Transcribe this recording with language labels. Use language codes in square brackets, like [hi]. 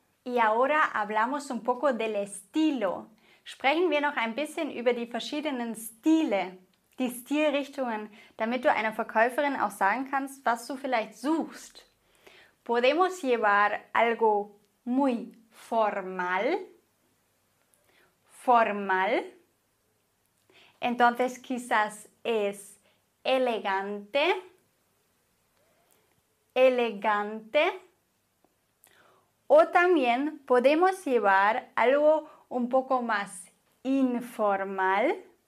[es] Y ahora hablamos un poco del estilo. [de] Sprechen wir noch ein bisschen über die verschiedenen Stile, die Stilrichtungen, damit du einer Verkäuferin auch sagen kannst, was du vielleicht suchst. [es] Podemos llevar algo muy formal. Formal. Entonces quizás es elegante. elegante. O también podemos llevar algo un poco más informal.